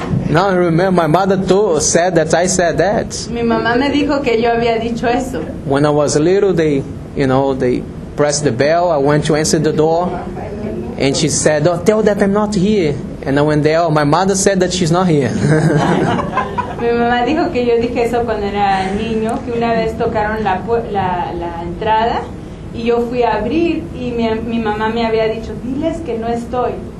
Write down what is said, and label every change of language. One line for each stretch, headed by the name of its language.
English: Now I remember my mother too said that I said that.
Spanish: Mi mamá me dijo que yo había dicho eso.
English: When I was little, they, you know, they press the bell, I went to answer the door, and she said, oh, tell that I'm not here. And I went there, oh, my mother said that she's not here.
Spanish: Mi mamá dijo que yo dije eso cuando era niño, que una vez tocaron la entrada, y yo fui a abrir, y mi mamá me había dicho, diles que no estoy.